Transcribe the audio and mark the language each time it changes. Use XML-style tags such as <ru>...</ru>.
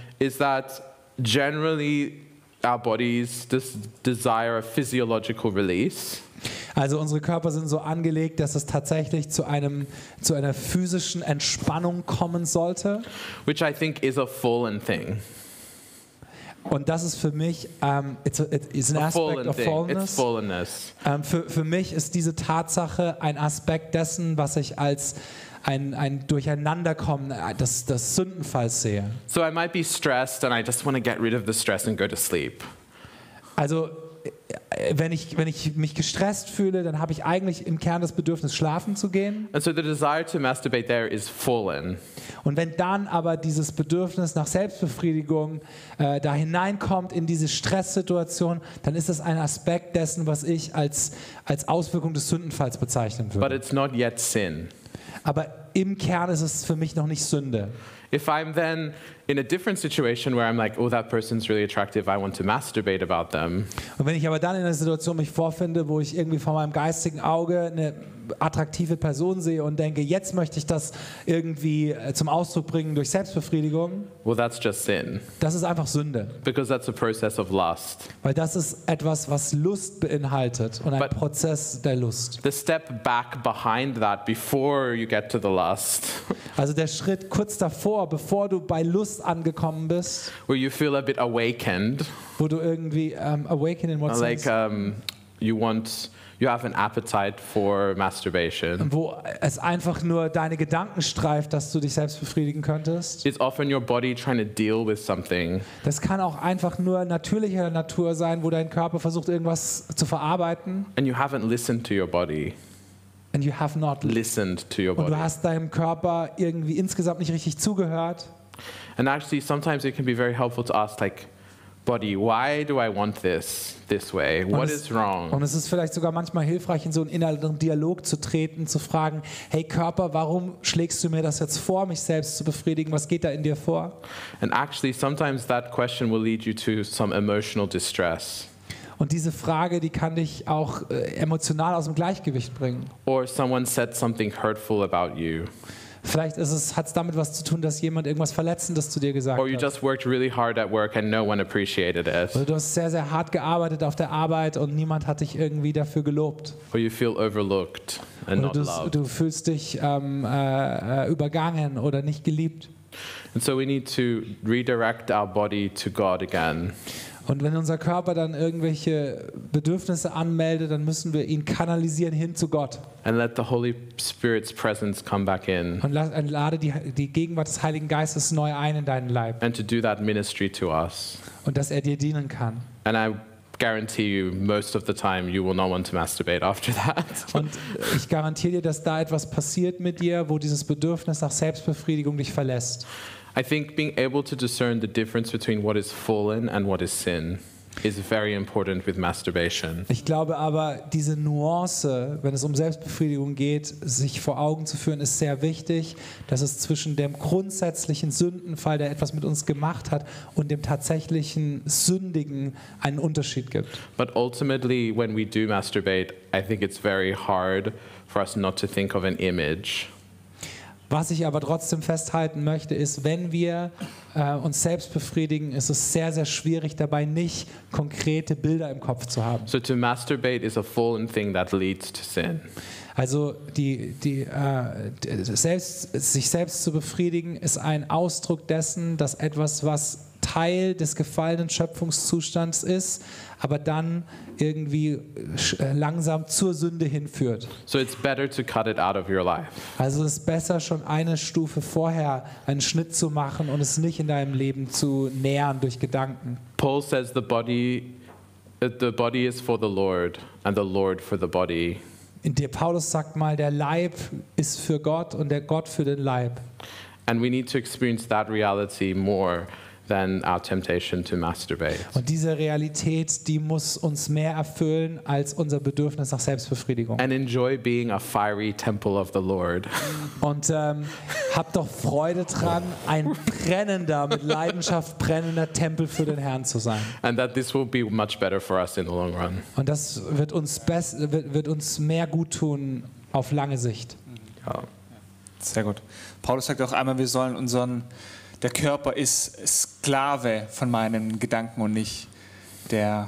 <en>Is that generally our bodies desire a physiological release.</en> <de>Also unsere Körper sind so angelegt, dass es tatsächlich zu einer physischen Entspannung kommen sollte.</de> <en>Which I think is a fallen thing.</en> <de>Und das ist für mich</de> <en>it's an aspect of fallenness.</en> <de>Für mich ist diese Tatsache ein Aspekt dessen, was ich als ein Durcheinanderkommen des Sündenfalls sehe.</de> <en>So I might be stressed and I just want to get rid of the stress and go to sleep.</en> <de>Also wenn ich mich gestresst fühle, dann habe ich eigentlich im Kern das Bedürfnis, schlafen zu gehen.</de> <en>And so the desire to masturbate there is fallen.</en> <de>Und wenn dann aber dieses Bedürfnis nach Selbstbefriedigung da hineinkommt in diese Stresssituation, dann ist das ein Aspekt dessen, was ich als Auswirkung des Sündenfalls bezeichnen würde.</de> <en>But it's not yet sin.</en> <de>Aber im Kern ist es für mich noch nicht Sünde.</de> <en>If I'm then in a different situation where I'm like, oh, that person's really attractive, I want to masturbate about them.</en> <de>Und wenn ich aber dann in einer Situation mich vorfinde, wo ich irgendwie vor meinem geistigen Auge eine attraktive Person sehe und denke, jetzt möchte ich das irgendwie zum Ausdruck bringen durch Selbstbefriedigung.</de> <en>Well, that's just sin.</en> <de>Das ist einfach Sünde.</de> <en>Because that's a process of lust.</en> <de>Weil das ist etwas, was Lust beinhaltet und ein Prozess der Lust.</de> <en>The step back behind that before you get to the lust.</en> <de>Also der Schritt kurz davor, bevor du bei Lust angekommen bist.</de> <en>Where you feel a bit awakened.</en> <de>Wo du irgendwie</de> <en>awakened in what sense? Like you have an appetite for masturbation.</en> <de>Wo es einfach nur deine Gedanken streift, dass du dich selbst befriedigen könntest.</de> <en>It's often your body trying to deal with something.</en> <de>Das kann auch einfach nur natürlicher Natur sein, wo dein Körper versucht, irgendwas zu verarbeiten.</de> <en>And you haven't listened to your body. And you have not listened to your body.</en> <de>Und du hast deinem Körper irgendwie insgesamt nicht richtig zugehört.</de> <en>And actually, sometimes it can be very helpful to ask, like, Body, why do I want this way? What is wrong?</en> <de>Und es ist vielleicht sogar manchmal hilfreich, in so einen inneren Dialog zu treten, zu fragen, hey Körper, warum schlägst du mir das jetzt vor, mich selbst zu befriedigen? Was geht da in dir vor?</de> <en>And actually, sometimes that question will lead you to some emotional distress.</en> <de>Und diese Frage, die kann dich auch emotional aus dem Gleichgewicht bringen.</de> <en>Or someone said something hurtful about you.</en> <de>Vielleicht hat es damit was zu tun, dass jemand irgendwas Verletzendes zu dir gesagt hat.</de> <en>Or you just worked really hard at work and no one appreciated it.</en> <de>Oder du hast sehr, sehr hart gearbeitet auf der Arbeit und niemand hat dich irgendwie dafür gelobt.</de> <en>Or you feel overlooked and not loved.</en> <de>Oder du fühlst dich übergangen oder nicht geliebt.</de> <en>And so we need to redirect our body to God again.</en> <de>Und wenn unser Körper dann irgendwelche Bedürfnisse anmeldet, dann müssen wir ihn kanalisieren hin zu Gott.</de> <en>And let the Holy Spirit's presence come back in.</en> <de>Und lade die Gegenwart des Heiligen Geistes neu ein in deinen Leib.</de> <en>And to do that ministry to us.</en> <de>Und dass er dir dienen kann.</de> <en>And I guarantee you, most of the time, you will not want to masturbate after that.</en> <de>Und ich garantiere dir, dass da etwas passiert mit dir, wo dieses Bedürfnis nach Selbstbefriedigung dich verlässt.</de> <en>I think being able to discern the difference between what is fallen and what is sin is very important with masturbation.</en> <de>Ich glaube aber, diese Nuance, wenn es um Selbstbefriedigung geht, sich vor Augen zu führen, ist sehr wichtig, dass es zwischen dem grundsätzlichen Sündenfall, der etwas mit uns gemacht hat, und dem tatsächlichen Sündigen einen Unterschied gibt.</de> <en>But ultimately, when we do masturbate, I think it's very hard for us not to think of an image.</en> <de>Was ich aber trotzdem festhalten möchte, ist, wenn wir uns selbst befriedigen, ist es sehr, sehr schwierig, dabei nicht konkrete Bilder im Kopf zu haben.</de> <en>So to masturbate is a fallen thing that leads to sin.</en> <de>Also selbst, sich selbst zu befriedigen ist ein Ausdruck dessen, dass etwas, was Teil des gefallenen Schöpfungszustands ist, aber dann irgendwie langsam zur Sünde hinführt.</de> <en>So it's better to cut it out of your life.</en> <de>Also es ist besser, schon eine Stufe vorher einen Schnitt zu machen und es nicht in deinem Leben zu nähern durch Gedanken.</de> <en>Paul says the body is for the Lord and the Lord for the body.</en> <de>In der Paulus sagt mal, der Leib ist für Gott und der Gott für den Leib.</de> <en>And we need to experience that reality more than our temptation to masturbate.</en> <de>Und diese Realität, die muss uns mehr erfüllen als unser Bedürfnis nach Selbstbefriedigung.</de> <en>And enjoy being a fiery temple of the Lord.</en> <de>Und hab doch Freude dran, ein brennender, mit Leidenschaft brennender Tempel für den Herrn zu sein.</de> <en>And that this will be much better for us in the long run.</en> <de>Und das wird uns wird uns mehr gut tun auf lange Sicht. Ja. Sehr gut. Paulus sagt auch einmal, wir sollen unseren Der Körper ist Sklave von meinen Gedanken und nicht der.</de>